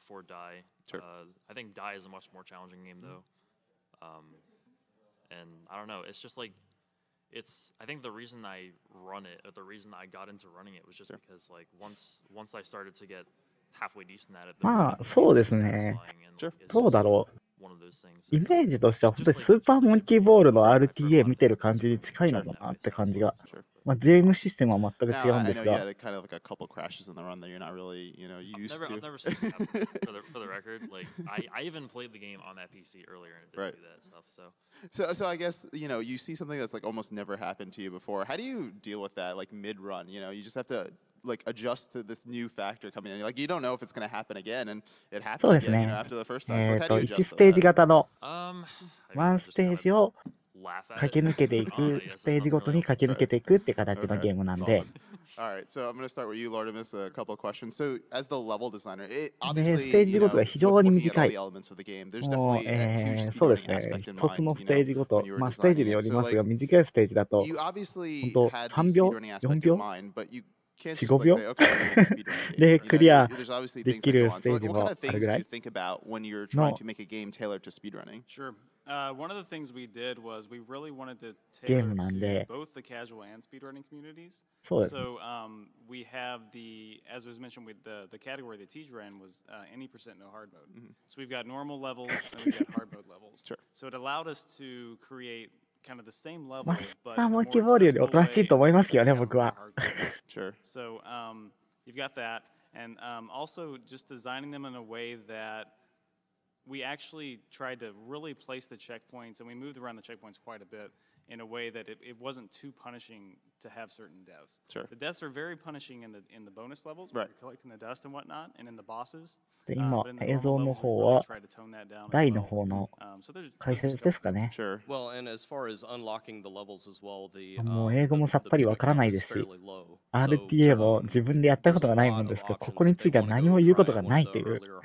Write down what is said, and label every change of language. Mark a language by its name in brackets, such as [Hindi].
[English] I think Die is a much more challenging game though. And I don't know, it's just like it's I think the reason I run it or the reason I got into running it was just because like once I started to get halfway decent at it. [Japanese] まあそうですね。どうだろう。イメージとしては本当にスーパーモンキーボールの RTA 見てる感じに近いのかなって感じが。まあ、ゲームシステムは全く違うんですが。 [English] So I guess, you know, you see something that's like almost never happened to you before. How do you deal with that, like mid-run? You know, you just have to like adjust to this new factor coming in. Like, you don't know if it's going to happen again, and it happened again, you know, after the first time. So how do you adjust to that? [Japanese] 1ステージ型の、ワンステージを、駆け抜けていく、ステージごとに駆け抜けていくって形のゲームなんで。で、ステージごとが非常に短い。もう、そうですね。一つのステージごと、まあ、ステージによりますが、短いステージだと、本当、3秒 ?4 秒 ?4、5秒で、クリアできるステージもあるぐらいの。 [English] One of the things we did was we really wanted to tailor to both the casual and speedrunning communities. So, we have the, as was mentioned, with the category that Tej ran was any percent no hard mode. Mm-hmm. So we've got normal levels and we've got hard mode levels. Sure. So it allowed us to create kind of the same level. [Japanese] まあ、スターモンキーボールよりおとなしいと思いますけどね、僕は。 [English] Sure. So, you've got that. And also just designing them in a way that,We actually tried to really place the checkpoints, and we moved around the checkpoints quite a bit in a way that it wasn't too punishing to have certain deaths. Sure. The deaths are very punishing in the bonus levels, right. where collecting the dust and whatnot, and in the bosses. [Japanese] で今映像の方は台の方の解説ですかね。もう英語もさっぱりわからないですし、RTA も自分でやったことがないもんですけど、ここについては何も言うことがないという。